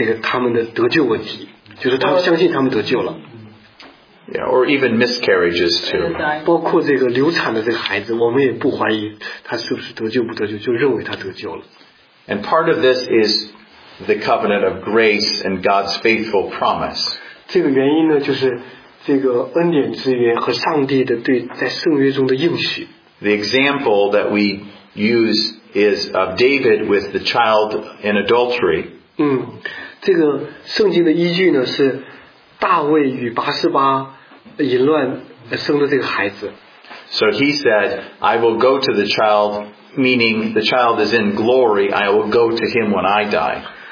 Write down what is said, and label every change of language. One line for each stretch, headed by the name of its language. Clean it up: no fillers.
Chinese: 所以我们的这些先父们，他们我想是他们根据圣经，他们说对于这些孩子是否得救的话，我们没有理由怀疑。他们只要他们的父母是基督徒的话，我们不怀疑，这个他们的得救问题，就是他们相信他们得救了。
English: Yeah, or even miscarriages too.
Chinese: 包括这个流产的这个孩子，我们也不怀疑他是不是得救不得救，就认为他得救了。
English: And part of this is the covenant of grace and God's faithful promise.
Chinese: 这个原因呢，就是这个恩典之约和上帝的对在圣约中的应许。
English: The example that we use is of David with the child in adultery.
Chinese: 嗯，这个圣经的依据呢是大卫与八十八。
English: So he said, I will go to the child, meaning the child is in glory, I will go to him when I die.